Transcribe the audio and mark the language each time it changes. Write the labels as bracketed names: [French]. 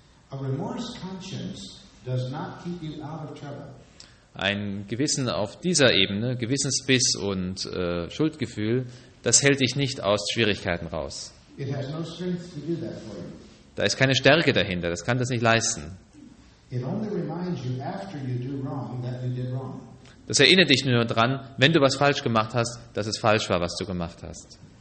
[English] A remorse conscience does not keep you out of trouble. [German] Ein Gewissen auf dieser Ebene, Gewissensbiss und Schuldgefühl, das hält dich nicht aus Schwierigkeiten raus. [English] It has no strength to do that for you. [German] Da ist keine Stärke dahinter, das kann das nicht leisten. [English] It only reminds you after you do wrong that you did wrong. [German] Das erinnert dich nur daran, wenn du was falsch gemacht hast, dass es falsch war, was du gemacht hast.